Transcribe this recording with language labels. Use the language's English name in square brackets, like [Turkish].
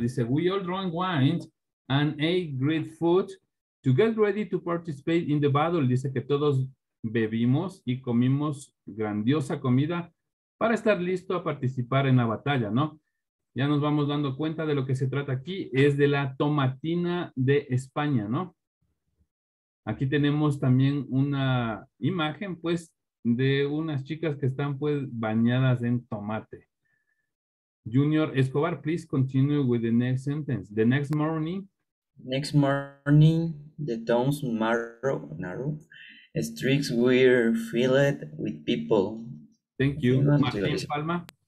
[Spanish] Dice, [English] we all drank wine and ate great food to get ready to participate in the battle. [Spanish] Dice que todos bebimos y comimos grandiosa comida para estar listo a participar en la batalla, ¿no? Ya nos vamos dando cuenta de lo que se trata aquí. Es de la tomatina de España, ¿no? Aquí tenemos también una imagen, pues, de unas chicas que están, pues, bañadas en tomate. [English] Junior Escobar, please continue with the next sentence. The next morning. Next morning, the town's narrow streets were filled with people. Thank you. Martín Palma.